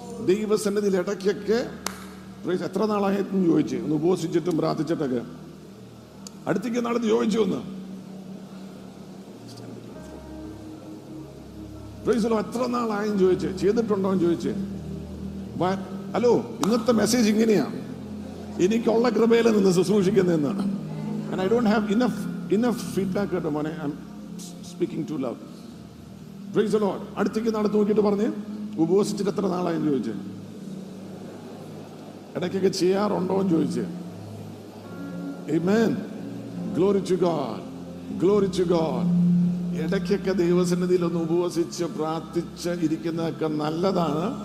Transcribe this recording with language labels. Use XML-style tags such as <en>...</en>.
<ml>ദൈവസന്നിധിയിൽ ഇടയ്ക്കൊക്കെ എത്ര നാളായിരുന്നു ചോദിച്ചു, ഒന്ന് ഉപസിച്ചിട്ടും പ്രാർത്ഥിച്ചിട്ടൊക്കെ അടുത്തേക്ക് നടന്ന് ചോദിച്ചു ഒന്ന്. എത്ര നാളായും ചോദിച്ചു, ചെയ്തിട്ടുണ്ടോ എന്ന് ചോദിച്ചു. ഹലോ, ഇന്നത്തെ മെസ്സേജ് ഇങ്ങനെയാ, എനിക്കുള്ള കൃപയിൽ നിന്ന് ശുശ്രൂഷിക്കുന്നതെന്നാണ്.</ml> <en>And I don't have enough feedback at the moment. I'm speaking too loud. Praise the Lord.</en> <ml>അടുത്തേക്ക് നാളെ നോക്കിയിട്ട് പറഞ്ഞു, ഉപവസിച്ചിട്ട് എത്ര നാളായെന്ന് ചോദിച്ചു, ഇടയ്ക്കൊക്കെ ചെയ്യാറുണ്ടോ എന്ന് ചോദിച്ചു.</ml> <en>Amen. Glory to God. Glory to God.</en> <ml>ഇടയ്ക്കൊക്കെ ദൈവസന്നിധിയിൽ ഒന്ന് ഉപവസിച്ച് പ്രാർത്ഥിച്ച് ഇരിക്കുന്നതൊക്കെ നല്ലതാണ്.</ml>